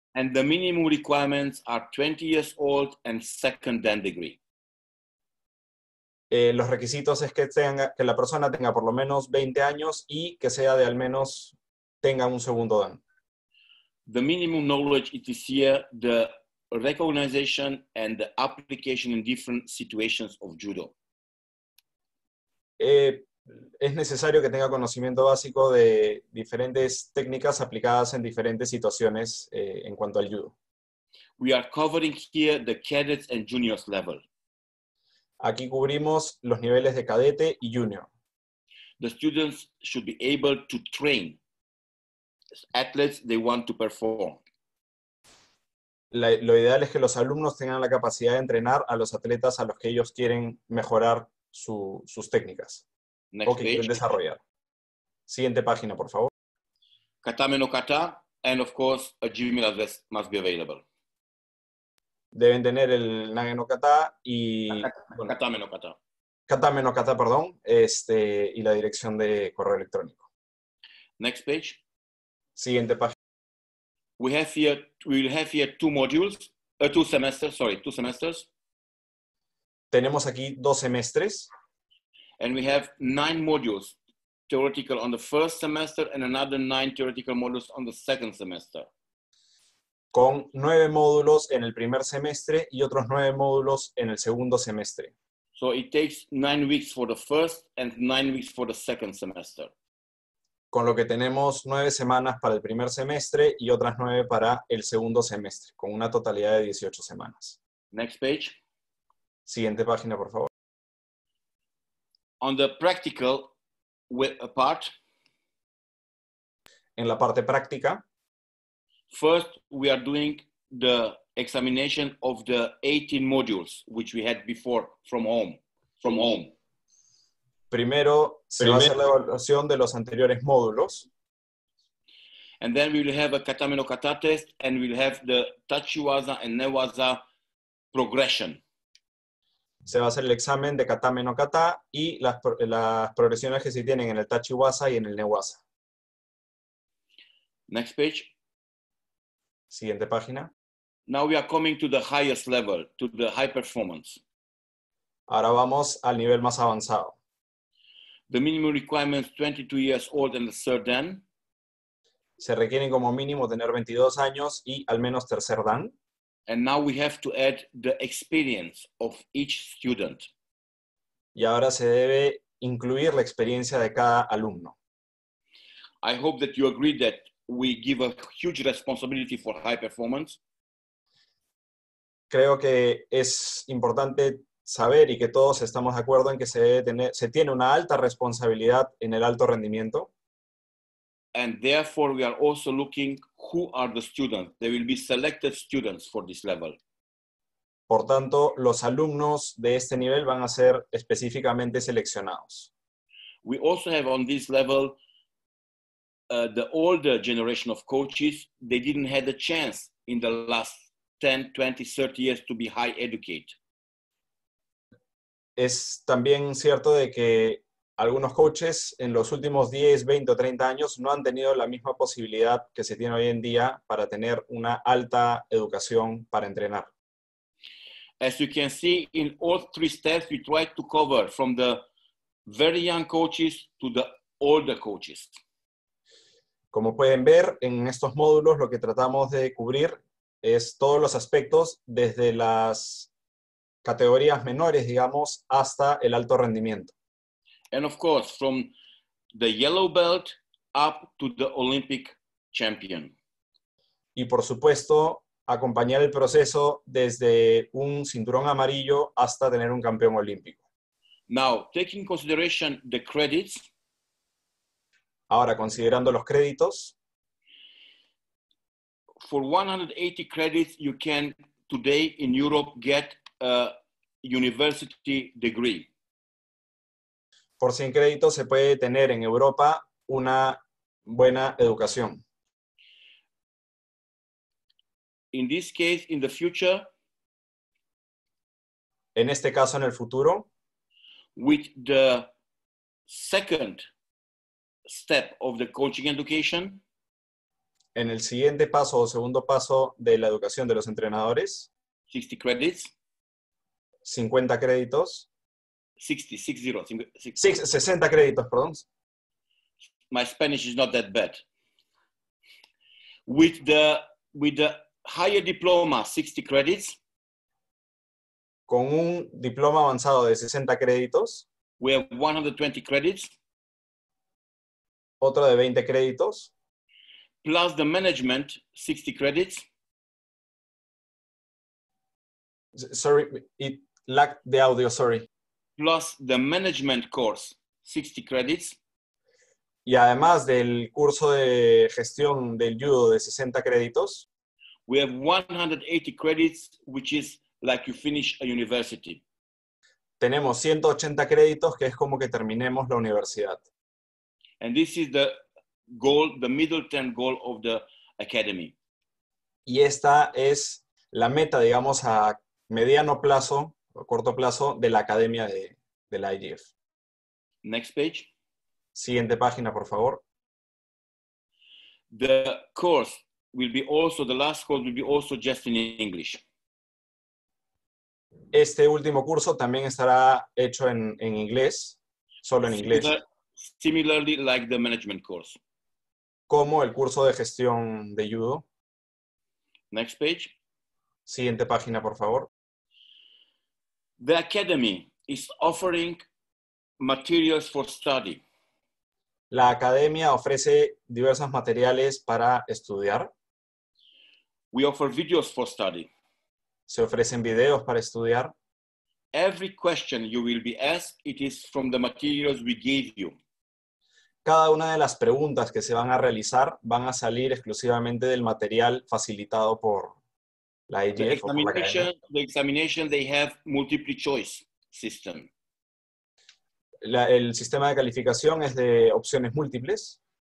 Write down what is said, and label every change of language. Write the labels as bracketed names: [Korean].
[English] And the minimum requirements are 20 years old and second dan degree. [Spanish] Los requisitos es que la persona tenga por lo menos 20 años y que sea de al menos tenga un segundo dan. [English] The minimum knowledge it is here the recognition and the application in different situations of judo. [Spanish] es necesario que tenga conocimiento básico de diferentes técnicas aplicadas en diferentes situaciones en cuanto al judo. [English] We are covering here the cadets and juniors level. [Spanish] Aquí cubrimos los niveles de cadete y junior. [English] The students should be able to train as athletes they want to perform. [Spanish] Lo ideal es que los alumnos tengan la capacidad de entrenar a los atletas a los que ellos quieren mejorar sus técnicas. [English] Next [Spanish] o que page. Quieren desarrollar. Siguiente página, por favor. [English] Katame no kata, and of course, a gym must be available. [Spanish] Deben tener el nage no kata y... [Japanese] Katame no kata. [Spanish] Katame no kata, perdón, y la dirección de correo electrónico. [English] Next page. [Spanish] Siguiente página. [English] We will have here two semesters. [Spanish] Tenemos aquí dos semestres. [English] And we have 9 modules theoretical on the first semester and another 9 theoretical modules on the second semester. [Spanish] Con 9 módulos en el primer semestre y otros 9 módulos en el segundo semestre. [English] So it takes 9 weeks for the first and 9 weeks for the second semester. [Spanish] Con lo que tenemos 9 semanas para el primer semestre y otras 9 para el segundo semestre, con una totalidad de 18 semanas. [English] Next page. [Spanish] Siguiente página, por favor. [English] On the practical part. [Spanish] En la parte práctica. [English] First, we are doing the examination of the 18 modules, which we had before from home. [Spanish] Primero se va a hacer la evaluación de los anteriores módulos. [English] And then we will have a katame no kata test and we'll have the tachiwaza and newaza progression. [Spanish] Se va a hacer el examen de katame no kata y las progresiones que se tienen en el tachiwaza y en el newaza. [English] Next page. [Spanish] Siguiente página. [English] Now we are coming to the highest level, to the high performance. [Spanish] Ahora vamos al nivel más avanzado. [English] The minimum requirement is 22 years old and the third dan. [Spanish] Se requiere como mínimo tener 22 años y al menos tercer dan. [English] And now we have to add the experience of each student. [Spanish] Y ahora se debe incluir la experiencia de cada alumno. [English] I hope that you agree that we give a huge responsibility for high performance. [Spanish] Creo que es importante saber y que todos estamos de acuerdo en que se tiene una alta responsabilidad en el alto rendimiento. [English] And therefore we are also looking who are the students. There will be selected students for this level. [Spanish] Por tanto, los alumnos de este nivel van a ser específicamente seleccionados. [English] We also have on this level the older generation of coaches. They didn't have the chance in the last 10, 20, 30 years to be high educated. [Spanish] Es también cierto de que algunos coaches en los últimos 10, 20 o 30 años no han tenido la misma posibilidad que se tiene hoy en día para tener una alta educación para entrenar. [English] As you can see, in all three steps we try to cover from the very young coaches to the older coaches. [Spanish] Como pueden ver, en estos módulos lo que tratamos de cubrir es todos los aspectos desde las categorías menores, digamos, hasta el alto rendimiento. [English] And of course, from the yellow belt up to the Olympic champion. [Spanish] Y por supuesto, acompañar el proceso desde un cinturón amarillo hasta tener un campeón olímpico. [English] Now, taking consideration the credits. [Spanish] Ahora, considerando los créditos. [English] For 180 credits, you can today in Europe get a university degree. [Spanish] Por 100 créditos se puede tener en Europa una buena educación. [English] In this case, in the future, [Spanish] en este caso, en el futuro, [English] with the second step of the coaching education, [Spanish] en el siguiente paso o segundo paso de la educación de los entrenadores, [English] 60 credits. [Spanish] 50 créditos. 60 créditos, perdón. [English] My Spanish is not that bad. With the higher diploma, 60 credits. [Spanish] Con un diploma avanzado de 60 créditos. [English] We have 120 credits. [Spanish] Otro de 20 créditos. [English] Plus the management, 60 credits. Sorry, it lacked the audio, sorry. Plus the management course, 60 credits. [Spanish] Y además del curso de gestión del judo de 60 créditos. [English] We have 180 credits, which is like you finish a university. [Spanish] Tenemos 180 créditos, que es como que terminemos la universidad. [English] And this is the goal, the middle term goal of the academy. [Spanish] Y esta es la meta, digamos, a mediano plazo, o corto plazo, de la academia de la IGF. [English] Next page. [Spanish] Siguiente página, por favor. [English] The course will be also, the last course will be also just in English. [Spanish] Este último curso también estará hecho en inglés, solo en inglés. [English] Similarly like the management course. [Spanish] Como el curso de gestión de judo. [English] Next page. [Spanish] Siguiente página, por favor. [English] The academy is offering materials for study. [Spanish] La academia ofrece diversos materiales para estudiar. [English] We offer videos for study. [Spanish] Se ofrecen videos para estudiar. [English] Every question you will be asked, it is from the materials we gave you. [Spanish] Cada una de las preguntas que se van a realizar van a salir exclusivamente del material facilitado por la IGF. [English] The examination, they have multiple choice system. [Spanish] El sistema de calificación es de opciones múltiples.